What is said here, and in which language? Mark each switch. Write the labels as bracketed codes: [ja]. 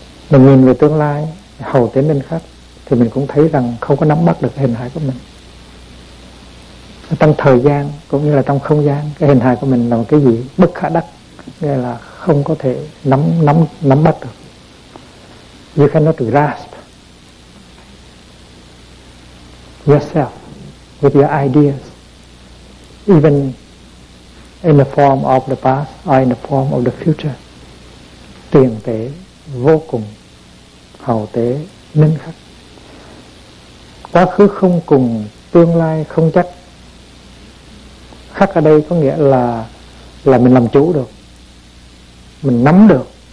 [vi] Mình nhìn về tương lai, hầu tế minh khắc, thì mình cũng thấy rằng không có nắm bắt được cái hình hài của mình. Trong thời gian cũng như là trong không gian, cái hình hài của mình là một cái gì bất khả đắc, nghĩa là không có thể nắm bắt được. [en] You cannot grasp yourself with your ideas, even in the form of the past or in the form of the future. [vi] Tiền tế vô cùng, hậu tế ninh khắc. Quá khứ không cùng, tương lai không chắc. Khắc ở đây có nghĩa là mình làm chủ được, mình nắm được.